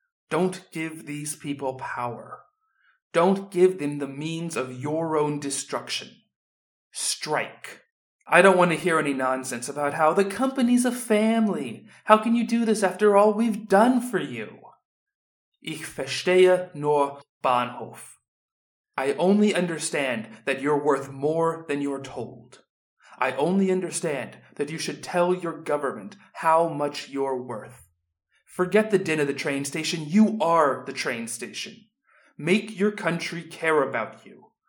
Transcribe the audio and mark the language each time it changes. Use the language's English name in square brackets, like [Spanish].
[English] Don't give these people power. Don't give them the means of your own destruction. Strike. I don't want to hear any nonsense about how the company's a family. How can you do this after all we've done for you? [German] Ich verstehe nur Bahnhof. [English] I only understand that you're worth more than you're told. I only understand that you should tell your government how much you're worth. Forget the din of the train station. You are the train station. Make your country care about you.